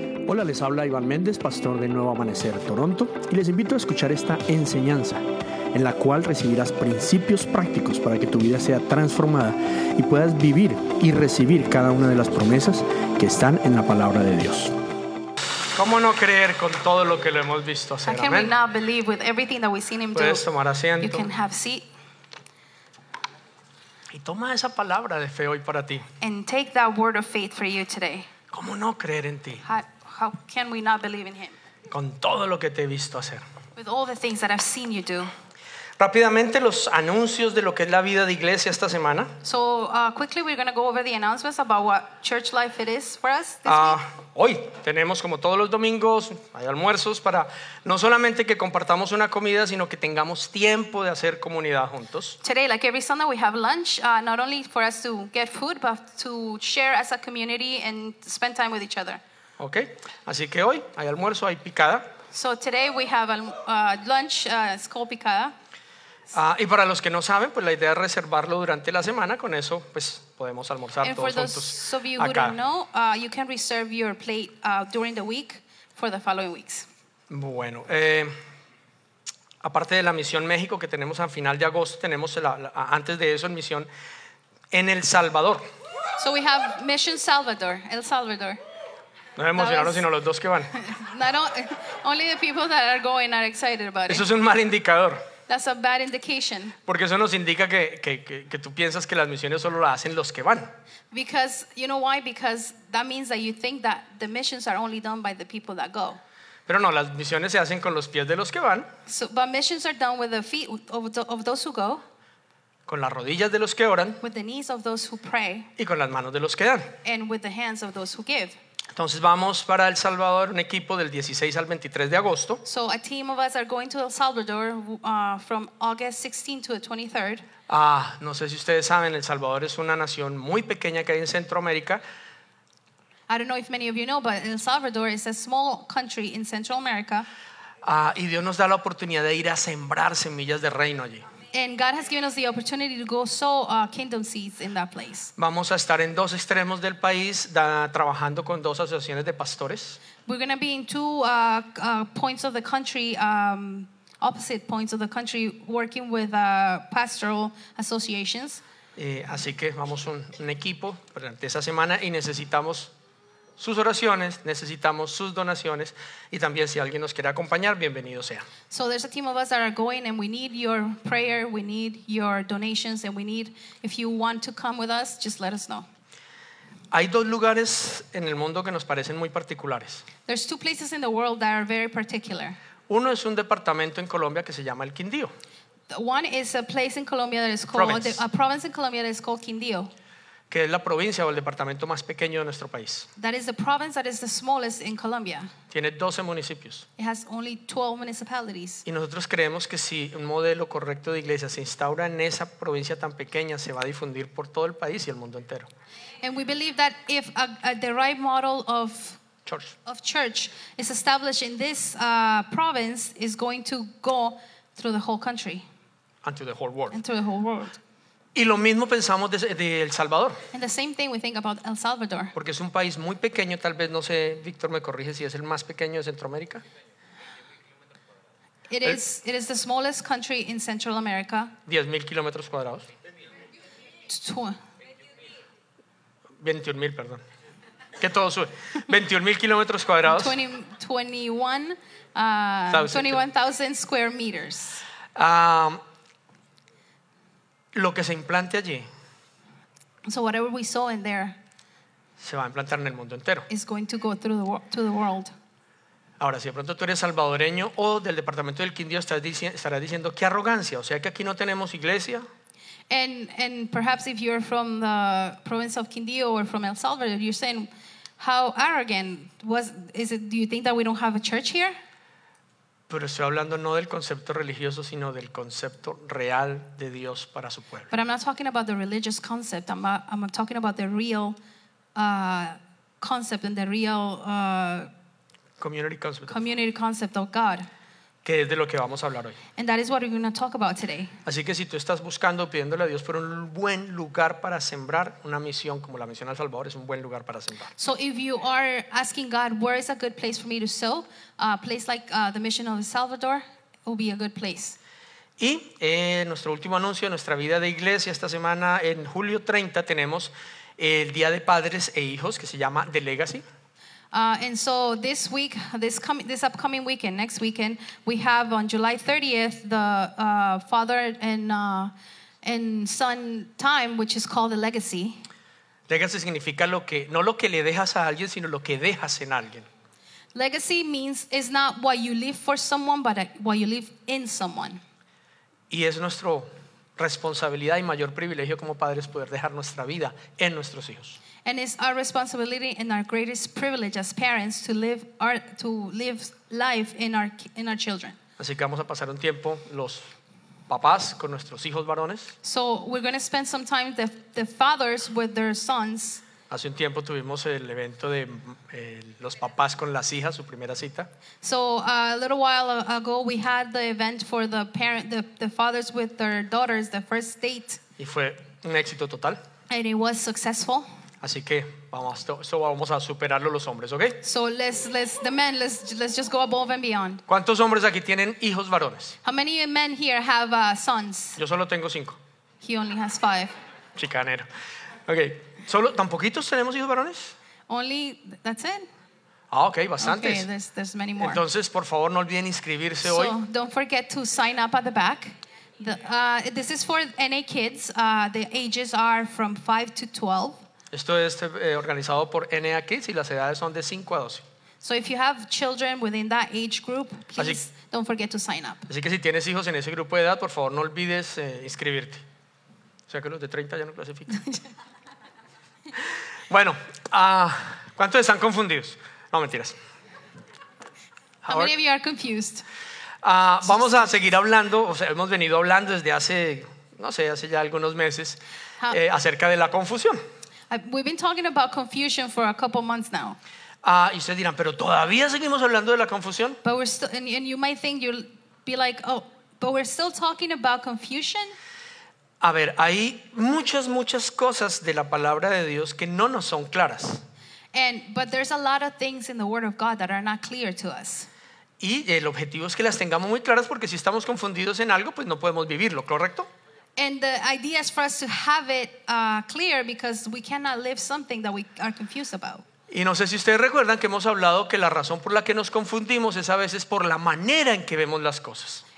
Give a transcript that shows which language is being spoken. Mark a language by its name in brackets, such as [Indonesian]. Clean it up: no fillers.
[Spanish] Hola, les habla Iván Méndez, pastor de Nuevo Amanecer, Toronto, y les invito a escuchar esta enseñanza, en la cual recibirás principios prácticos para que tu vida sea transformada y puedas vivir y recibir cada una de las promesas que están en la palabra de Dios. ¿Cómo no creer con todo lo que lo hemos visto hacer? [English] How can we not believe with everything that we've seen him do? [Spanish] Puedes tomar asiento. [English] You can have seat. [Spanish] Y toma esa palabra de fe hoy para ti. [English] And take that word of faith for you today. [Spanish] ¿Cómo no creer en ti? [English] How can we not believe in him? [Spanish] Con todo lo que te he visto hacer. [English] With all the things that I've seen you do. [Spanish] Rápidamente los anuncios de lo que es la vida de iglesia esta semana. [English] So quickly we're going to go over the announcements about what church life it is for us this week. [Spanish] Hoy tenemos como todos los domingos hay almuerzos para no solamente que compartamos una comida sino que tengamos tiempo de hacer comunidad juntos. [English] Today, like every Sunday, we have lunch, not only for us to get food but to share as a community and spend time with each other. [Spanish] Okay, así que hoy hay almuerzo, hay picada. [English] So today we have lunch, it's called picada. [Spanish] Y para los que no saben, pues la idea es reservarlo durante la semana, con eso pues podemos almorzar [English] and [Spanish] todos juntos. [English] And for those of you who don't know, you can reserve your plate during the week for the following weeks. [Spanish] Bueno, aparte de la misión México que tenemos a final de agosto, tenemos antes de eso en misión en El Salvador. [English] So we have Mission Salvador, El Salvador. [Spanish] No me emocionaron sino los dos que van. [English] Only the people that are going are excited about it. [Spanish] Eso es un mal indicador. [English] That's a bad indication. [Spanish] Porque eso nos indica que tú piensas que las misiones solo las hacen los que van. [English] Because you know why? Because that means that you think that the missions are only done by the people that go. [Spanish] Pero no, las misiones se hacen con los pies de los que van. [English] So, but missions are done with the feet of those who go. [Spanish] Con las rodillas de los que oran. [English] With the knees of those who pray. [Spanish] Y con las manos de los que dan. [English] And with the hands of those who give. [Spanish] Entonces vamos para El Salvador, un equipo del 16 al 23 de agosto. [English] So a team of us are going to El Salvador from August 16 to the 23rd. [Spanish] No sé si ustedes saben, El Salvador es una nación muy pequeña que hay en Centroamérica. [English] I don't know if many of you know, but El Salvador is a small country in Central America. [Spanish] Y Dios nos da la oportunidad de ir a sembrar semillas de reino allí. [English] And God has given us the opportunity to go sow kingdom seeds in that place. [Spanish] Vamos a estar en dos extremos del país trabajando con dos asociaciones de pastores. [English] We're going to be in two points of the country, opposite points of the country, working with pastoral associations. [Spanish] Así que vamos un equipo durante esa semana y necesitamos sus oraciones, necesitamos sus donaciones y también si alguien nos quiere acompañar, bienvenido sea. [English] So there's a team of us that are going and we need your prayer, we need your donations and we need, if you want to come with us, just let us know. [Spanish] Hay dos lugares en el mundo que nos parecen muy particulares. [English] There's two places in the world that are very particular. [Spanish] Uno es un departamento en Colombia que se llama el Quindío. [English] One is a place in Colombia that is called, a province in Colombia that is called Quindío. [Spanish] Que es la provincia o el departamento más pequeño de nuestro país. [English] That is the province that is the smallest in Colombia. [Spanish] Tiene 12 municipios. [English] It has only 12 municipalities. [Spanish] Y nosotros creemos que si un modelo correcto de iglesia se instaura en esa provincia tan pequeña, se va a difundir por todo el país y el mundo entero. [English] And we believe that if the right model of church. Of church is established in this province, is going to go through the whole country. And to the whole world. And to the whole world. [Spanish] Y lo mismo pensamos de El Salvador. [English] And the same thing we think about El Salvador. [Spanish] Porque es un país muy pequeño, tal vez, no sé, Víctor me corrige si es el más pequeño de Centroamérica. [English] It is the smallest country in Central America. [Spanish] 10,000 kilómetros cuadrados. 21,000, perdón. Que todo sube. 21,000 kilómetros cuadrados. [English] 21,000 square meters. [Spanish] Lo que se implante allí, [English] so whatever we saw in there, [Spanish] se va a implantar en el mundo entero. [English] Is going to go through the world. [Spanish] Ahora, si de pronto tú eres salvadoreño o del departamento del Quindío, estarás diciendo qué arrogancia, o sea que aquí no tenemos iglesia. [English] And perhaps if you're from the province of Quindío or from El Salvador, you're saying how arrogant was is it? Do you think that we don't have a church here? [Spanish] Pero estoy hablando no del concepto religioso, sino del concepto real de Dios para su pueblo. [English] But I'm not talking about the religious concept. I'm talking about the real concept and the real community concept. Community concept of God. [Spanish] que es de lo que vamos a hablar hoy. [English] And that is what we're going to talk about today. [Spanish] Así que si tú estás buscando, pidiéndole a Dios por un buen lugar para sembrar una misión como la misión al Salvador, es un buen lugar para sembrar. [English] So if you are asking God, where is a good place for me to sow, a place like the mission of El Salvador will be a good place. [Spanish] Y nuestro último anuncio de nuestra vida de iglesia esta semana, en julio 30 tenemos el Día de Padres e Hijos, que se llama The Legacy. [English] And so this week, this upcoming weekend, next weekend, we have on July 30th the father and son time, which is called the legacy. [Spanish] Legacy significa lo que, no lo que le dejas a alguien, sino lo que dejas en alguien. [English] Legacy means it's not what you leave for someone, but what you leave in someone. [Spanish] Y es nuestra responsabilidad y mayor privilegio como padres poder dejar nuestra vida en nuestros hijos. [English] And it's our responsibility and our greatest privilege as parents to live our life in our children. [Spanish] Así que vamos a pasar un tiempo los papás con nuestros hijos varones. [English] So we're going to spend some time the fathers with their sons. [Spanish] Hace un tiempo tuvimos el evento de los papás con las hijas, su primera cita. [English] So a little while ago we had the event for the parent the fathers with their daughters, the first date. [Spanish] Y fue un éxito total. [English] And it was successful. [Spanish] Así que vamos a superarlo los hombres, ¿ok? [English] So let's just go above and beyond. [Spanish] ¿Cuántos hombres aquí tienen hijos varones? [English] How many men here have sons? [Spanish] Yo solo tengo 5. [English] He only has 5. [Spanish] Chicanero. Okay. Solo tan poquitos tenemos hijos varones. [English] Only that's it. [Spanish] Ah, okay, bastantes. [English] Okay, there's many more. [Spanish] Entonces, por favor, no olviden inscribirse [English] so, [Spanish] hoy. [English] So don't forget to sign up at the back. This is for NA kids. The ages are from 5 to 12. [Spanish] Esto es organizado por NA Kids y las edades son de 5 a 12. [English] So if you have children within that age group, please don't forget to sign up. [Spanish] Así que si tienes hijos en ese grupo de edad, por favor, no olvides inscribirte. O sea que los de 30 ya no clasifican. Bueno, ¿cuántos están confundidos? No, mentiras. [English] How many of you are confused? [Spanish] Vamos a seguir hablando, o sea, hemos venido hablando desde hace, no sé, hace ya algunos meses, acerca de la confusión. [English] We've been talking about confusion for a couple months now. [Spanish] Y ustedes dirán, ¿pero todavía seguimos hablando de la confusión? [English] But we're still, and you might think, you'll be like, oh, but we're still talking about confusion? [Spanish] A ver, hay muchas, muchas cosas de la palabra de Dios que no nos son claras. [English] But there's a lot of things in the Word of God that are not clear to us. [Spanish] Y el objetivo es que las tengamos muy claras porque si estamos confundidos en algo, pues no podemos vivirlo, ¿correcto? [English] And the idea is for us to have it clear because we cannot live something that we are confused about. [Spanish] Y no sé si ustedes recuerdan que hemos hablado que la razón por la que nos confundimos es a veces por la manera en que vemos las cosas.